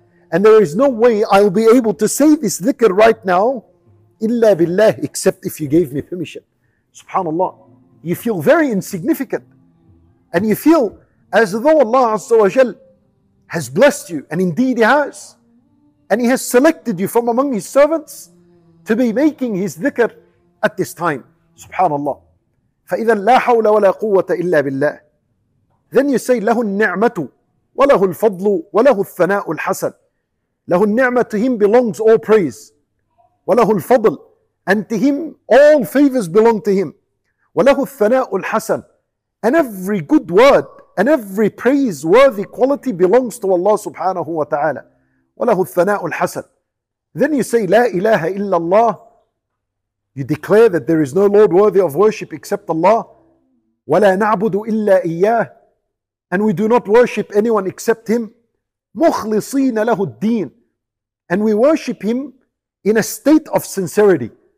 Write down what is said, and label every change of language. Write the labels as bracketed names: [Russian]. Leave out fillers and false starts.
[English] And there is no way I'll be able to say this dhikr right now, illa billah, except if you gave me permission. Subhanallah. You feel very insignificant. And you feel as though Allah Azza wa Jal has blessed you. And indeed He has. And He has selected you from among His servants to be making His dhikr at this time. Subhanallah. [Arabic] فإذا لا حول ولا قوة إلا بالله. [English] Then you say [Arabic] له النعمة وله الفضل وله الثناء الحسن. له النعمة, [English] to him belongs all praise. [Arabic] وله الفضل, [English] and to him all favors belong to him. [Arabic] وله الثناء الحسن, [English] and every good word and every praiseworthy quality belongs to Allah سبحانه وتعالى. [Arabic] وله الثناء الحسن. [English] Then you say [Arabic] لا إله إلا الله. [English] You declare that there is no Lord worthy of worship except Allah. [Arabic] وَلَا نَعْبُدُ إِلَّا إِيَّاهِ, [English] and we do not worship anyone except Him. [Arabic] مُخْلِصِينَ لَهُ الدِّينِ, [English] and we worship Him in a state of sincerity.